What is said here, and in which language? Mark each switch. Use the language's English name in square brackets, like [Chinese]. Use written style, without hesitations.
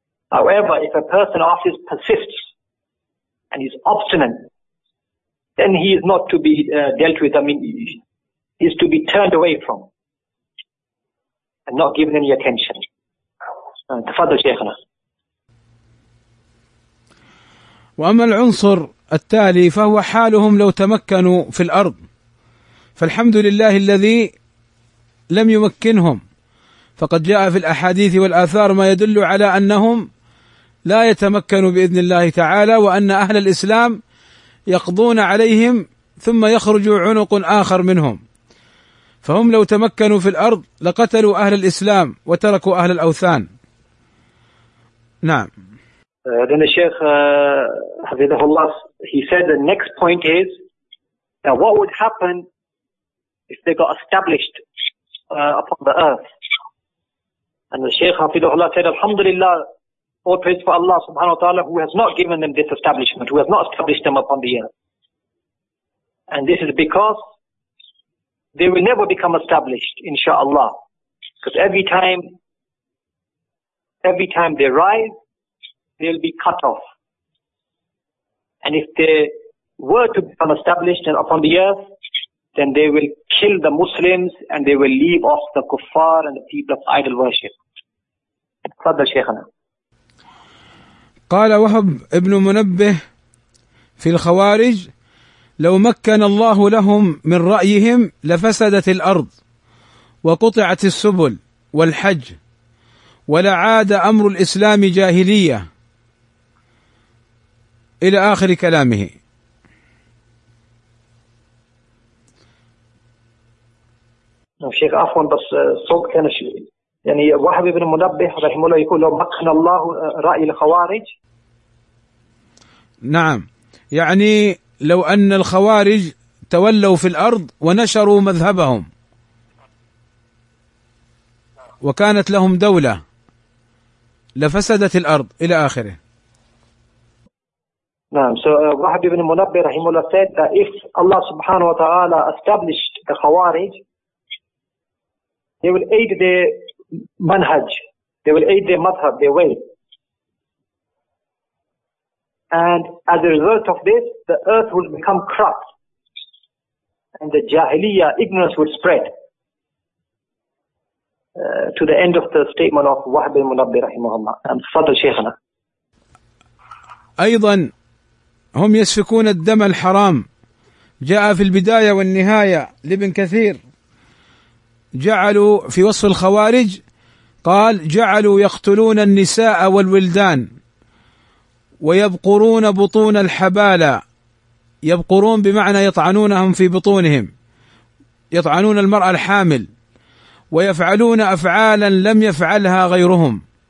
[English] However, if a person always persists and he's obstinate, then he is not to be dealt with. I mean, he is to be turned away from and not given any attention. [Arabic] Tafadhal Shaykhana. وأما العنصر التالي فهو حالهم لو تمكنوا في الأرض، فالحمد لله الذي لم يمكنهم، فقد جاء في الأحاديث والآثار ما يدل على أنهم لا يتمكنوا بإذن الله تعالى، وأن أهل الإسلام يقضون عليهم ثم يخرج عنق آخر منهم، فهم لو تمكنوا في الأرض لقتلوا أهل الإسلام وتركوا أهل الأوثان. نعم. [English] Then the Sheikh Hafidhullah, he said the next point is, now what would happen if they got established upon the earth? And the Sheikh Hafidhullah said, Alhamdulillah, all praise for Allah subhanahu wa ta'ala, who has not given them this establishment, who has not established them upon the earth. And this is because they will never become established, inshaAllah. Because every time they rise, they'll be cut off. And if they were to become established upon the earth, then they will kill the Muslims and they will leave off the kuffar and the people of idol worship. [Arabic] Fadal Shaykhana. قال وهب ابن منبه في الخوارج: لو مكن الله لهم من رأيهم لفسدت الأرض وقطعت السبل والحج ولعاد أمر الإسلام جاهلية، إلى آخر كلامه. شيخ عفوا بس صوت كان يعني وهب ابن منبه رحمه الله يقول لو مكن الله رأي الخوارج. نعم، يعني لو أن الخوارج تولوا في الأرض ونشروا مذهبهم وكانت لهم دولة لفسدت الأرض، إلى آخره. نعم. [English] So Wahab ibn Munabbih rahimahullah said that if Allah subhanahu wa ta'ala established the khawarij, they will aid their manhaj, they will aid their madhab, their way. And as a result of this, the earth will become corrupt and the jahiliyyah, ignorance will spread to the end of the statement of Wahab ibn Munabbih rahimahullah. And [Arabic] Fadl Shaykhana. أيضا هم يسفكون الدم الحرام، جاء في البداية والنهاية لابن كثير، جعلوا في وصف الخوارج قال: جعلوا يقتلون النساء والولدان ويبقرون بطون الحبالة، يبقرون بمعنى يطعنونهم في بطونهم، يطعنون المرأة الحامل، ويفعلون أفعالا لم يفعلها غيرهم.